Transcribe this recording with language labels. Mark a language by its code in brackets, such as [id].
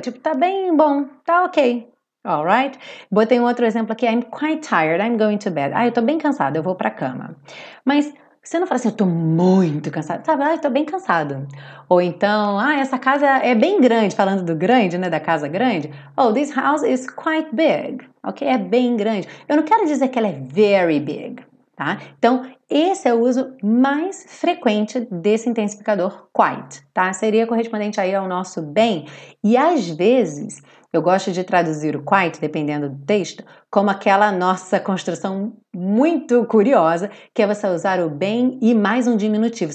[pt] Tipo, tá bem bom, tá ok. [en] All right? [pt] Botei um outro exemplo aqui. [en] I'm quite tired, I'm going to bed. [pt] Ah, eu tô bem cansada, eu vou pra cama. Mas você não fala assim, eu tô muito cansado, sabe? Ah, eu tô bem cansado. Ou então, ah, essa casa é bem grande, falando do grande, né, da casa grande. [en] Oh, this house is quite big, ok? [pt] É bem grande. Eu não quero dizer que ela é very big, tá? Então, esse é o uso mais frequente desse intensificador quite, tá? Seria correspondente aí ao nosso bem. E às vezes, eu gosto de traduzir o quite, dependendo do texto, como aquela nossa construção muito curiosa, que é você usar o bem e mais um diminutivo.